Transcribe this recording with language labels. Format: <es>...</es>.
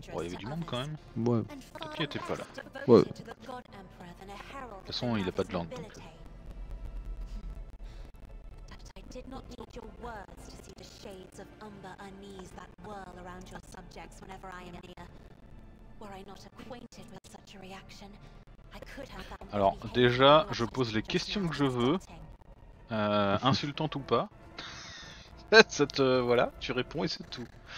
<fr>Bon, il y avait du monde quand même. Ouais. Peut-être qu'il était pas là. Ouais. De toute façon il a pas de langue donc.</fr> <en>Did not need your words to see the shades of umber unease that whirl around your subjects whenever I am near. Were I not acquainted with such a reaction, I could have found.</en> <fr>Alors déjà, je pose les questions que je veux, insultante ou pas. Ça te voilà, tu réponds et c'est tout.</fr>